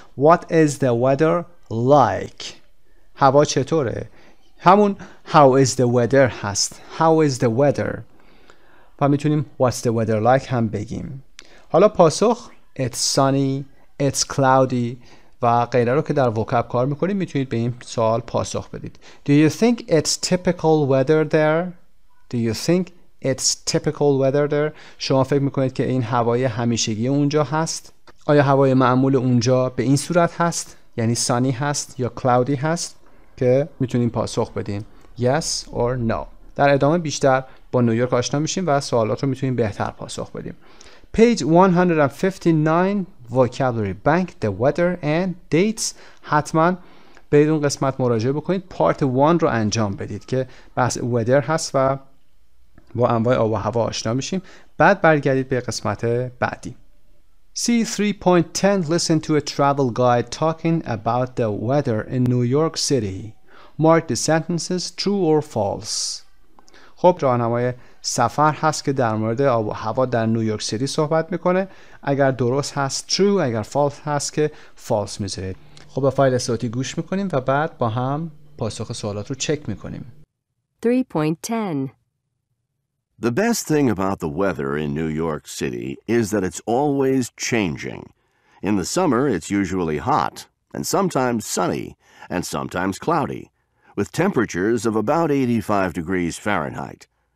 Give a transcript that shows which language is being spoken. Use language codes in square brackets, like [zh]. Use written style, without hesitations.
[en] What is the weather like؟ [fa] هوا چطوره؟ همون [en] How is the weather [fa] هست. [en] How is the weather؟ [fa] و میتونیم [en] What's the weather like [fa] هم بگیم. حالا پاسخ It's sunny، It's cloudy و غیره رو که در وکاب کار میکنیم میتونید به این سوال پاسخ بدید. [en] Do you think it's typical weather there؟ Do you think It's typical weather there. [fa] شما فکر میکنید که این هوای همیشگی اونجا هست؟ آیا هوای معمول اونجا به این صورت هست؟ یعنی sunny هست یا cloudy هست؟ که میتونیم پاسخ بدیم yes or no. در ادامه بیشتر با نیویورک آشنا میشیم و سوالات رو میتونیم بهتر پاسخ بدیم. [en] Page 159 Vocabulary Bank The Weather and Dates. [fa] حتما برید اون قسمت مراجعه بکنید، Part 1 رو انجام بدید که بس weather هست و با انواع آب و هوا آشنا میشیم، بعد برگردید به قسمت بعدی. [en] C3.10 Listen to a travel guide talking about the weather in New York City. Mark the sentences true or false. [fa] خب راهنمای سفر هست که در مورد آب و هوا در نیویورک سیتی صحبت میکنه، اگر درست هست true، اگر false هست که false میذارید. خب به فایل صوتی گوش میکنیم و بعد با هم پاسخ سوالات رو چک میکنیم. [en] 3.10 The best thing about the weather in New York City is that it's always changing. In the summer, it's usually hot, and sometimes sunny, and sometimes cloudy, with temperatures of about 85 degrees Fahrenheit.